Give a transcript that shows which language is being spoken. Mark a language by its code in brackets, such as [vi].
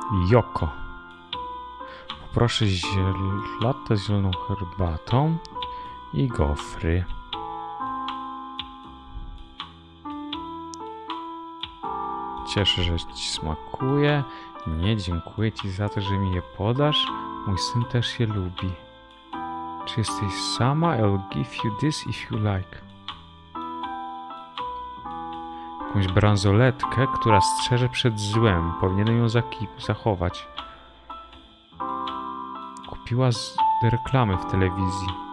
[pl] Yoko. Poproszę latte z zieloną herbatą. i gofry. Cieszę, że ci smakuje. Nie, dziękuję ci za to, że mi je podasz. Mój syn też je lubi. Czy jesteś sama? [en] I'll give you this if you like. [pl] Jakąś bransoletkę, która strzeże przed złem. Powinienem ją zachować. Kupiła z reklamy w telewizji.